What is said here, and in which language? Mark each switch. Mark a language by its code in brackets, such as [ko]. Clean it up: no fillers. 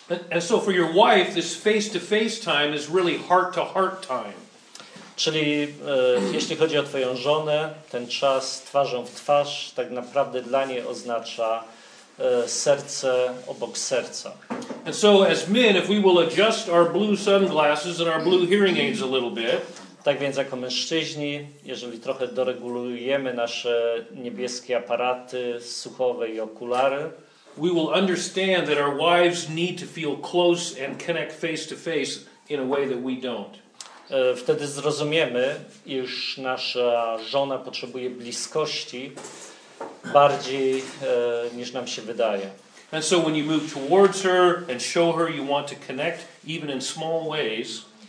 [en] And so for your wife, this face-to-face time is really heart-to-heart time. [pl] Czyli jeśli chodzi o twoją żonę, ten czas twarzą w twarz tak naprawdę dla niej oznacza serce obok serca. [en] And so as men, if we will adjust our blue sunglasses and our blue hearing aids a little bit. [pl] Tak więc jako mężczyźni, jeżeli trochę doregulujemy nasze niebieskie aparaty słuchowe i okulary, [en] we will understand that our wives need to feel close and connect face to face in a way that we don't. [pl] wtedy zrozumiemy, iż nasza żona potrzebuje bliskości bardziej niż nam się wydaje. [en] And so when you move towards her and show her you want to connect even in small ways,